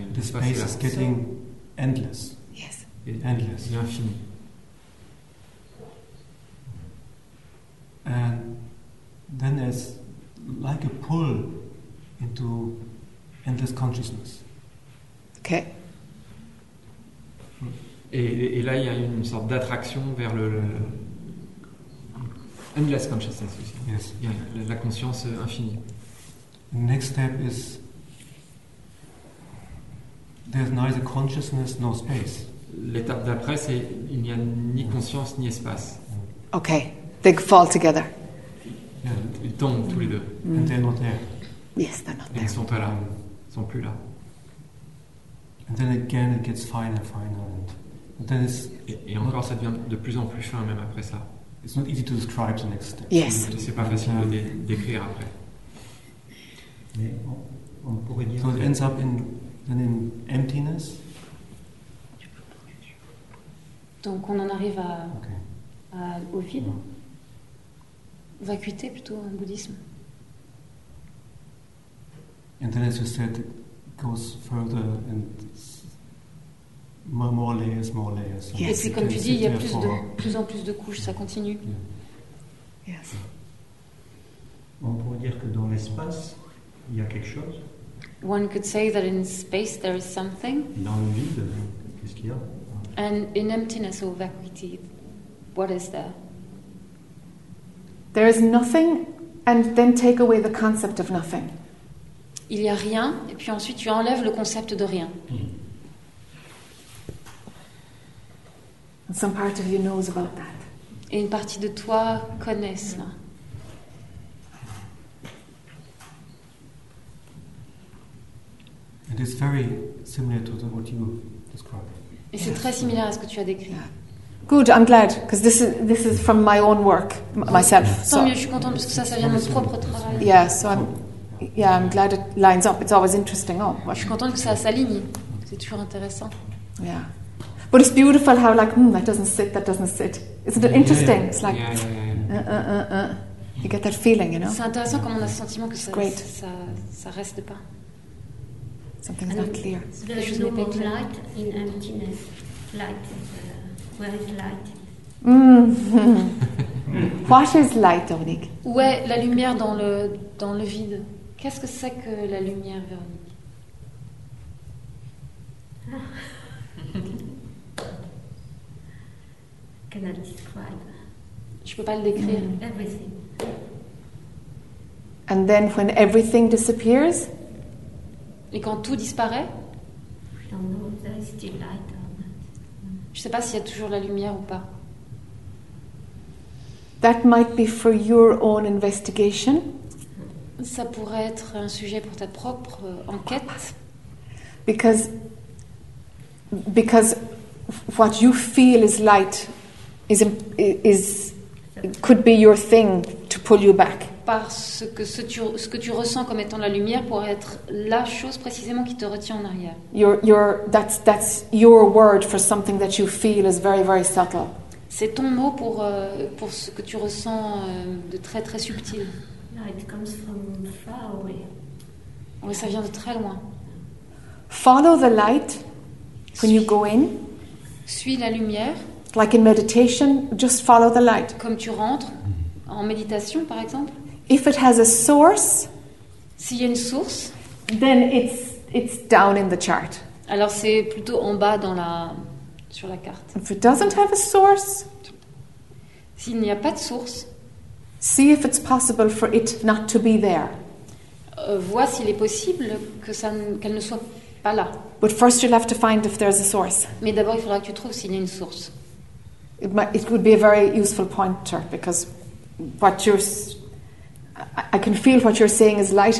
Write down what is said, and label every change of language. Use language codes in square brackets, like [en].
[en] The space is getting endless. Yes. Endless. [fr] L'infini. [en] And then there's like a pull into endless consciousness. Okay. [fr] Et là, il y a une sorte d'attraction vers le [en] endless consciousness [fr] aussi. [en] Yes. [fr] La conscience infinie. [en] The next step is there's neither consciousness nor space. [fr] L'étape d'après, c'est il n'y a ni conscience ni espace. [en] Okay. They fall together. [fr] Yeah. Ils tombent tous les deux. [en] And they're not there. Yes, they're not there. [fr] Ils sont pas là. Ils sont plus là. [en] And then again it gets finer, finer. And then it's [fr] et encore ça devient de plus en plus fin même après ça. [en] It's not easy to describe the next step. Yes. [fr] C'est pas facile de décrire après. Mais on pourrait dire. [en] So it ends up in emptiness. [fr] Donc on en arrive à, [en] okay. [fr] Au vide. Mm. Vacuité plutôt en bouddhisme. [en] And then as you said, it goes further and more layers, more layers. Yes. [fr] Et puis comme tu dis, il y a plus en plus de couches, ça continue. [en] Yeah. Yes. [fr] On pourrait dire que dans l'espace, il y a quelque chose. [en] One could say that in space there is something. [fr] Dans le vide, qu'est-ce qu'il y a? [en] And in emptiness or vacuity, what is there? There is nothing, and then take away the concept of nothing. [fr] Il y a rien, et puis ensuite tu enlèves le concept de rien. Mm. [en] And some part of you knows about that. [fr] Et une partie de toi connaît cela. [en] It is very similar to what you described. [fr] Et c'est très similaire à ce que tu as décrit. [en] Good, I'm glad, because this is from my own work, myself. [fr] Tant mieux, je suis contente, parce que ça vient de mon propre travail. [en] Yeah, so I'm glad it lines up. It's always interesting. Oh, [fr] je suis contente que ça s'aligne. C'est toujours intéressant. [en] Yeah. But it's beautiful how, like, that doesn't sit. Isn't it interesting? Yeah, yeah. It's like, you get that feeling, you know? [fr] C'est intéressant comme on a ce sentiment que ça reste pas. [en] Something's not clear. There's no more light in emptiness. Light. Where is light? What is light, Véronique? [fr] Où est la lumière dans le vide? Qu'est-ce que c'est que la lumière, Véronique? [en] Can I describe? [fr] Je peux pas le décrire. Mm. [en] Everything. And then when everything disappears? [fr] Et quand tout disparaît? [en] I don't know, there is still light. [fr] Je ne sais pas s'il y a toujours la lumière ou pas. [en] That might be for your own investigation. [fr] Ça pourrait être un sujet pour ta propre enquête. [en] Because what you feel is light is could be your thing to pull you back. [fr] parce que ce que tu ressens comme étant la lumière pourrait être la chose précisément qui te retient en arrière. [en] That's your word for something that you feel is very very subtle. [fr] C'est ton mot pour ce que tu ressens de très très subtil. [en] Yeah, it comes from far away. [fr] Oui, ça vient de très loin. [en] Follow the light when you go in. [fr] Suis la lumière. [en] Like in meditation, just follow the light. [fr] Comme tu rentres en méditation, par exemple. [en] If it has a source, [fr] s'il y a une source, [en] then it's down in the chart. [fr] Alors c'est plutôt en bas dans la sur la carte. [en] If it doesn't have a source, [fr] s'il n'y a pas de source, [en] see if it's possible for it not to be there. [fr] Vois s'il est possible que ça qu'elle ne soit pas là. [en] But first you'll have to find if there's a source. [fr] Mais d'abord il faudra que tu trouves s'il y a une source. [en] It would be a very useful pointer because what you're, I can feel what you're saying is light.